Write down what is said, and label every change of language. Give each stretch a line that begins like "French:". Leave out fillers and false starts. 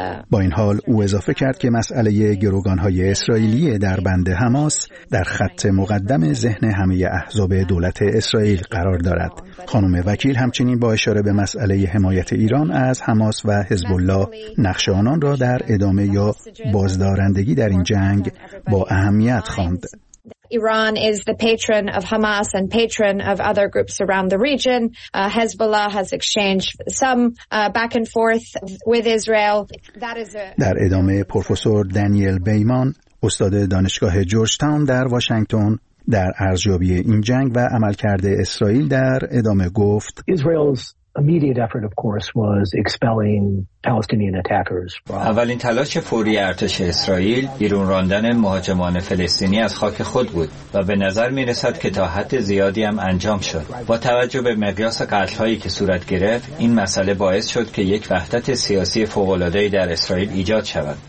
Persian: با این حال او اضافه کرد که مسئله گروگان‌های اسرائیلی در بند حماس در خط مقدم ذهن همه احزاب دولت اسرائیل قرار دارد. خانم وکیل همچنین با اشاره به مسئله حمایت ایران از حماس و حزب الله، نقش آنان را در ادامه یا بازدارندگی در این جنگ با اهمیت خواند.
English: Iran is the patron of Hamas and patron of other groups around the region. Hezbollah has exchanged some back and forth with Israel.
Persian: در ادامه پروفسور دانیل بیمان، استاد دانشگاه جورج تاون در واشنگتن، در ارزیابی این جنگ و عملکرد اسرائیل در ادامه گفت:
English: Israel's immediate effort, of course, was expelling Palestinian attackers.
Persian: اولین تلاش فوری ارتش اسرائیل بیرون راندن مهاجمان فلسطینی از خاک خود بود و به نظر می رسد که تا حد زیادی هم انجام شد. با توجه به مقیاس قتل‌هایی که صورت گرفت، این مسئله باعث شد که یک وحدت سیاسی فوق‌العاده‌ای در اسرائیل ایجاد شود.